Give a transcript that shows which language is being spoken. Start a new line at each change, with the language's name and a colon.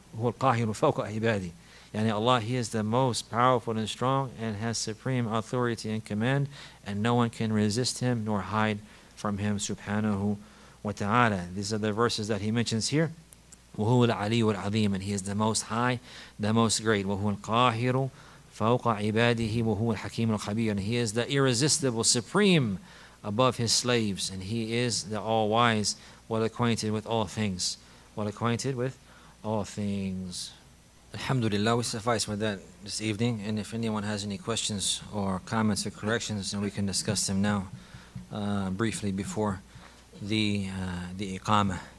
Arabic: Huwa al-qahiru fawqa ibadi.
English: Yani Allah, He is the most powerful and strong and has supreme authority and command, and no one can resist Him nor hide from Him. Subhanahu wa ta'ala. These are the verses that He mentions here.
Arabic: Wahu al-aliyyu al-azim.
English: And He is the most high, the most great.
Arabic: Wahu al-qahiru فَوْقَ عِبَادِهِ وَهُوَ الْحَكِيمُ الْخَبِيرُ.
English: And He is the irresistible, supreme above His slaves. And He is the all-wise, well-acquainted with all things. Well-acquainted with all things. Alhamdulillah, we suffice with that this evening. And if anyone has any questions or comments or corrections, then we can discuss them now briefly before the iqamah.